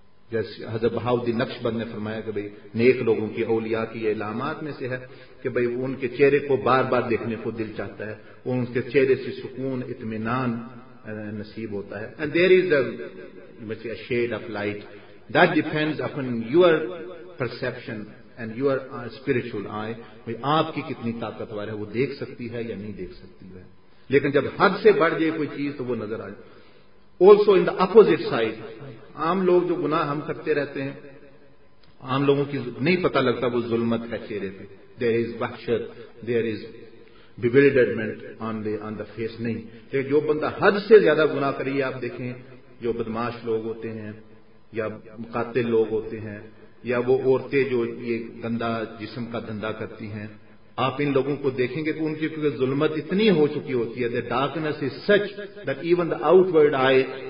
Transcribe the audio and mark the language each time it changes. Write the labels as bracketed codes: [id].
[ur] جیسے حضرت بہاؤدین نقشبند نے فرمایا کہ بھائی نیک لوگوں کی اولیاء کی یہ علامات میں سے ہے کہ بھائی ان کے چہرے کو بار بار دیکھنے کو دل چاہتا ہے وہ ان کے چہرے سے سکون اطمینان نصیب ہوتا ہے [en] and there is a shade of light. That depends upon your perception and your spiritual eye. [ur] بھائی آپ کی کتنی طاقتور ہے وہ دیکھ سکتی ہے یا نہیں دیکھ سکتی ہے لیکن جب حد سے بڑھ جائے کوئی چیز تو وہ نظر آ جائے [en] also in the opposite side [ur] عام لوگ جو گناہ ہم کرتے رہتے ہیں عام لوگوں کی نہیں پتہ لگتا وہ ظلمت ہے چہرے پہ [en] there is وحشت there is bewilderment on the face [ur] نہیں لیکن جو بندہ حد سے زیادہ گناہ کریے آپ دیکھیں جو بدماش لوگ ہوتے ہیں یا مقاتل لوگ ہوتے ہیں یا وہ عورتیں جو یہ گندا جسم کا دھندا کرتی ہیں آپ ان لوگوں کو دیکھیں گے تو ان کی کیونکہ ظلمت اتنی ہو چکی ہوتی ہے [en] the darkness is such that even the out world I